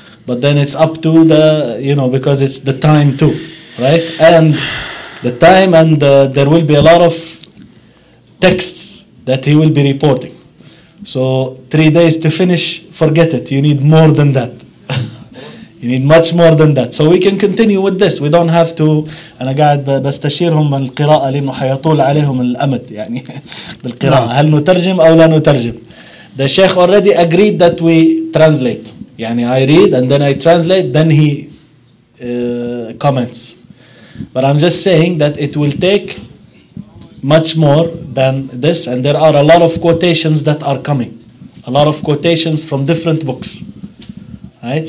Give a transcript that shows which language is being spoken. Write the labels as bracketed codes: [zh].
[en] But then it's up to the, you know, because it's the time too, right? And the time, and there will be a lot of texts that he will be reporting. So 3 days to finish, forget it. You need more than that. You need much more than that. So we can continue with this. We don't have to. [ar] أنا قاعد بستشيرهم بالقراءة لأنه حيطول عليهم الأمد يعني بالقراءة. هل نترجم أو لا نترجم؟ [en] The Sheikh already agreed that we translate. يعني I read and then I translate, then he comments. But I'm just saying that it will take much more than this, and there are a lot of quotations that are coming, a lot of quotations from different books, right?